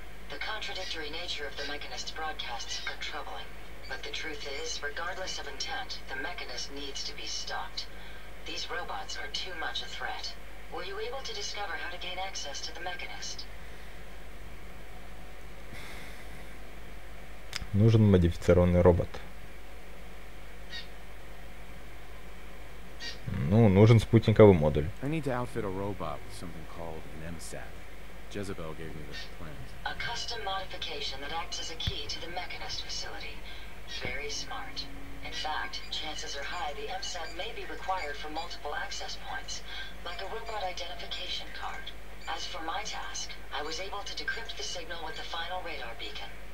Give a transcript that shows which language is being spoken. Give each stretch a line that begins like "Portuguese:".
English: The contradictory nature of the mechanist's broadcasts are troubling. But the truth is, regardless of intent, the mechanist needs to be stopped. These robots are too much a threat. Were you able to discover how to gain access to the mechanist?
Russian: Нужен модифицированный робот. Ну, нужен спутниковый модуль.
English: I need to outfit a robot with something called an MSAT. Jezebel gave me this plan. A custom modification that acts as a key to the mechanist facility. Very smart. In fact, chances are high the MSAT may be required for multiple access points, like a robot identification card. As for my task, I was able to decrypt the signal with the final radar beacon.